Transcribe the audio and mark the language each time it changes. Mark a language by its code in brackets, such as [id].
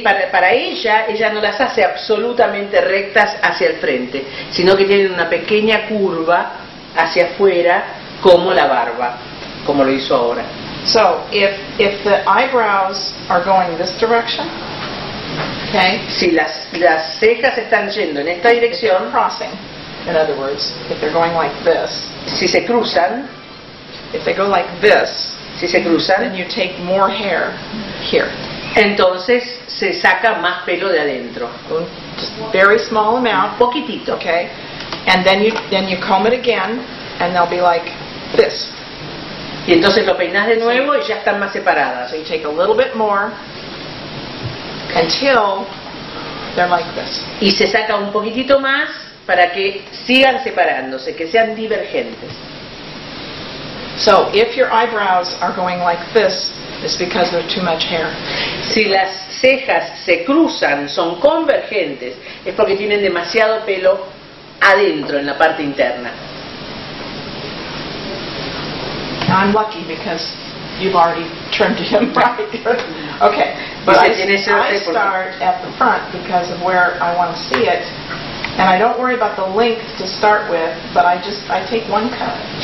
[es] Para ella, ella no las hace absolutamente rectas hacia el frente, sino que tienen una pequeña curva hacia afuera, como la barba, como lo hizo ahora. [en] So, if the eyebrows are going this direction, okay. [es] Si las cejas están yendo en esta dirección, [en] crossing, in other words, if they're going like this, [es] si se cruzan, [en] if they go like this, [es] si se cruzan, [en] then you take more hair here. [es] Entonces se saca más pelo de adentro. [en] Very small amount, [es] poquitito, [en] okay. And then you comb it again, and they'll be like this. [es] Y entonces lo peinas de nuevo y ya están más separadas. [en] So you take a little bit more until they're like this. [es] Y se saca un poquitito más para que sigan separándose, que sean divergentes. [en] So if your eyebrows are going like this, it's because there's too much hair. [es] Si las cejas se cruzan, son convergentes, es porque tienen demasiado pelo adentro, en la parte interna. [en] I'm lucky because you've already trimmed him right. Okay, but I start at the front because of where I want to see it, and I don't worry about the length to start with, but I take one cut.